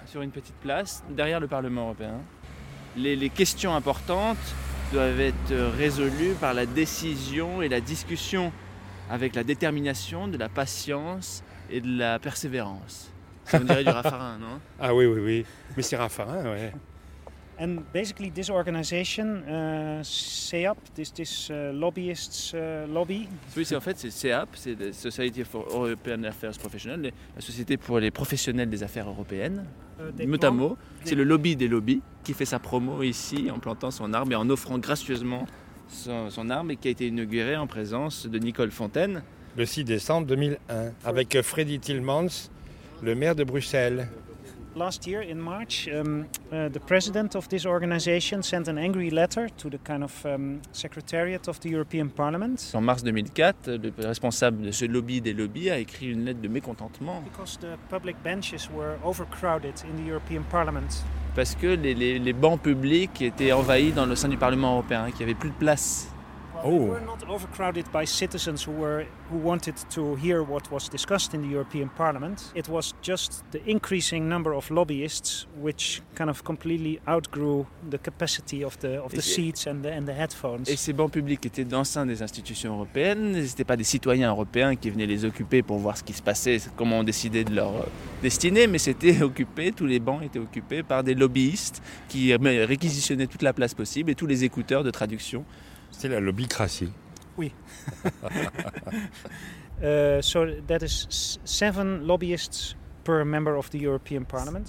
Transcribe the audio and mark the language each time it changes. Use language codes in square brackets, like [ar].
[fr] Sur une petite place, derrière le Parlement européen. Les questions importantes doivent être résolues par la décision et la discussion, avec la détermination, de la patience et de la persévérance. Ça vous dirait du Raffarin, non? Ah oui, oui, oui. Mais c'est Raffarin, ouais. [en] And basically, this organization, CEAP, this lobbyists lobby. [fr] Oui, c'est en fait, c'est CEAP, c'est the Society for European Affairs Professionals, la société pour les professionnels des affaires européennes. C'est le lobby des lobbies qui fait sa promo ici en plantant son arbre et en offrant gracieusement son arbre et qui a été inauguré en présence de Nicole Fontaine. Le 6 décembre 2001, avec Freddy Tillmans, le maire de Bruxelles. [en] Last year in March, the president of this organization sent an angry letter to the kind of secretariat of the European Parliament. [fr] En mars 2004, le responsable de ce lobby des lobbies a écrit une lettre de mécontentement. [en] Because the public benches were overcrowded in the European Parliament. [fr] Parce que les bancs publics étaient envahis dans le sein du Parlement européen, qu'il y avait plus de place. Oh. [en] They were not overcrowded by citizens who wanted to hear what was discussed in the European Parliament. It was just the increasing number of lobbyists which kind of completely outgrew the capacity of the seats and the headphones. [fr] Et ces bancs publics étaient dans l'enceinte des institutions européennes. C'était pas des citoyens européens qui venaient les occuper pour voir ce qui se passait, comment on décidait de leur destinée, mais c'était occupé. Tous les bancs étaient occupés par des lobbyistes qui réquisitionnaient toute la place possible et tous les écouteurs de traduction. C'est la lobbycratie. Oui. [en] So that is 7 lobbyists per member of the European Parliament.